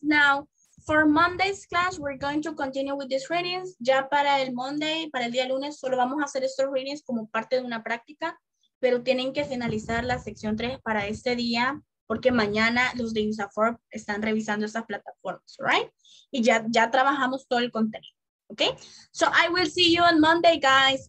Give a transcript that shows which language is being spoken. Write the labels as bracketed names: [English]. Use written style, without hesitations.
[English] Now, for Monday's class, we're going to continue with these readings. [Spanish] Ya para el Monday, para el día lunes, solo vamos a hacer estos readings como parte de una práctica, pero tienen que finalizar la sección 3 para este día, porque mañana los de INSAFORP están revisando esas plataformas, right? Y ya trabajamos todo el contenido, okay? [English] So I will see you on Monday, guys.